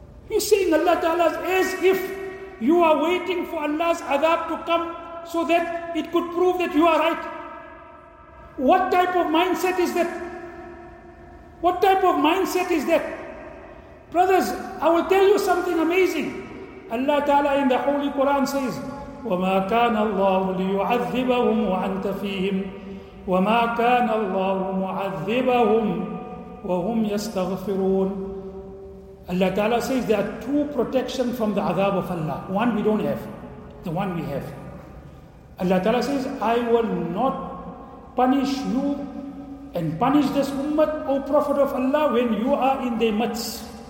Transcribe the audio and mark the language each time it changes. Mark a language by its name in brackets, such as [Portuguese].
[English] You're saying Allah Ta'ala as if you are waiting for Allah's Azab to come so that it could prove that you are right. What type of mindset is that? What type of mindset is that? Brothers, I will tell you something amazing. Allah Ta'ala in the Holy Quran says, [Arabic] وَمَا كَانَ اللَّهُ لِيُعَذِّبَهُمْ وَأَنْتَ فِيهِمْ وَمَا كَانَ اللَّهُ مُعَذِّبَهُمْ وَهُمْ يَسْتَغْفِرُونَ. [English] Allah Ta'ala says there are two protections from the azab of Allah. One we don't have, the one we have. Allah Ta'ala says, I will not punish you and punish this ummah, O Prophet of Allah, when you are in their midst.